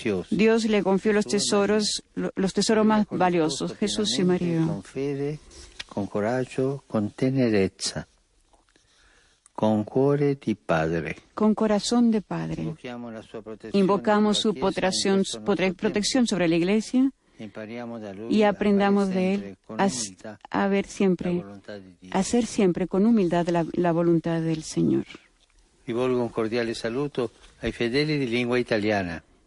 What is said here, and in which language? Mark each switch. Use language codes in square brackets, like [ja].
[es] Dios le confió los tesoros más valiosos, Jesús y María. [it] Con fede, con coraggio, con tenerezza, con cuore di padre. [es] Con corazón de padre. Invocamos su protección sobre la Iglesia y aprendamos de él a ver siempre, a hacer siempre con humildad la voluntad del Señor. [it] Rivolgo un cordiale saluto ai fedeli di lingua italiana.